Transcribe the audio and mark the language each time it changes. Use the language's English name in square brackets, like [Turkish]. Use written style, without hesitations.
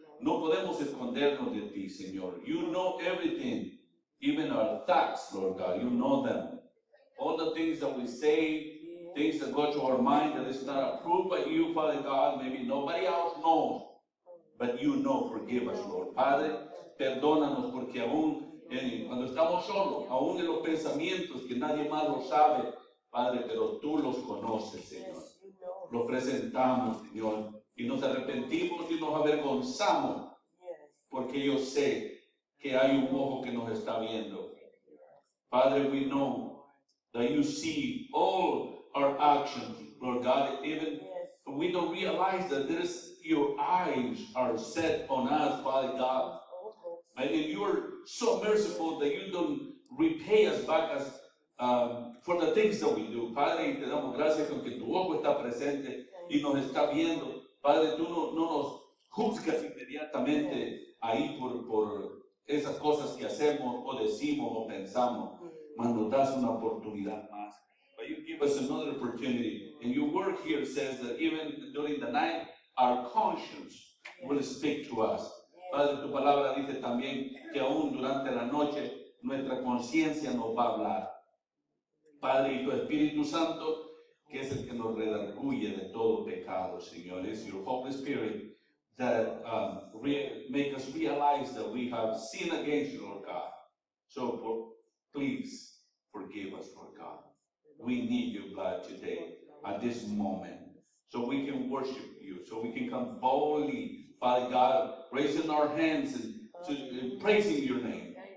[Spanish] No podemos escondernos de ti, Señor. [English] You know everything, even our thoughts, Lord God. You know them. All the things that we say, things that go to our mind that is not approved by you, Father God, maybe nobody else knows, but you know. Forgive us, Lord. [Spanish] Padre, perdónanos, porque aún cuando estamos solos, aún en los pensamientos que nadie más lo sabe, Padre, pero tú los conoces, Señor. Los presentamos, Señor, y nos arrepentimos y nos avergonzamos, porque yo sé que hay un ojo que nos está viendo. [English] Padre, we know that you see all our actions, Lord God. Even we don't realize that there's your eyes are set on us, Father God. And if you're so merciful that you don't repay us back as for the things that we do, Padre, [Spanish] te damos gracias porque tu ojo está presente y nos está viendo. Padre, tú no nos juzgas inmediatamente ahí por esas cosas que hacemos o decimos o pensamos, mas nos das una oportunidad más. [English] But you give us another opportunity. And your word here says that even during the night, our conscience will speak to us. [Spanish] Padre, tu palabra dice también que aún durante la noche nuestra conciencia nos va a hablar. Padre, y tu Espíritu Santo que es el que nos redarguye de todo pecado, Señor. [English] It's your Holy Spirit that make us realize that we have sinned against you, Lord God. So please forgive us, Lord God. We need your blood today at this moment so we can worship you, so we can come boldly, Father God, raising our hands and praising your name.